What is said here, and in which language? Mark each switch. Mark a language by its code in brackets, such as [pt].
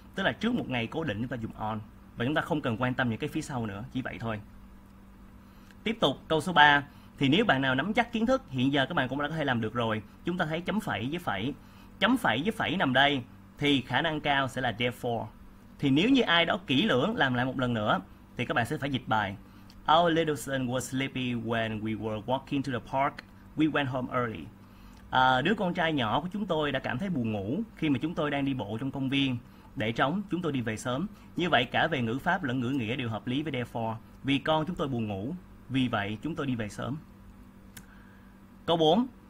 [vi] Tức là trước một ngày cố định chúng ta dùng on. Và chúng ta không cần quan tâm những cái phía sau nữa, chỉ vậy thôi. Tiếp tục câu số 3. Thì nếu bạn nào nắm chắc kiến thức, hiện giờ các bạn cũng đã có thể làm được rồi. Chúng ta thấy chấm phẩy với phẩy. Chấm phẩy với phẩy nằm đây, thì khả năng cao sẽ là therefore. Thì nếu như ai đó kỹ lưỡng làm lại một lần nữa, thì các bạn sẽ phải dịch bài. [en] Our little son was sleepy when we were walking to the park. We went home early. [vi] À, đứa con trai nhỏ của chúng tôi đã cảm thấy buồn ngủ khi mà chúng tôi đang đi bộ trong công viên. Để trống, chúng tôi đi về sớm. Như vậy, cả về ngữ pháp lẫn ngữ nghĩa đều hợp lý với therefore. Vì con chúng tôi buồn ngủ, vì vậy chúng tôi đi về sớm. Câu 4.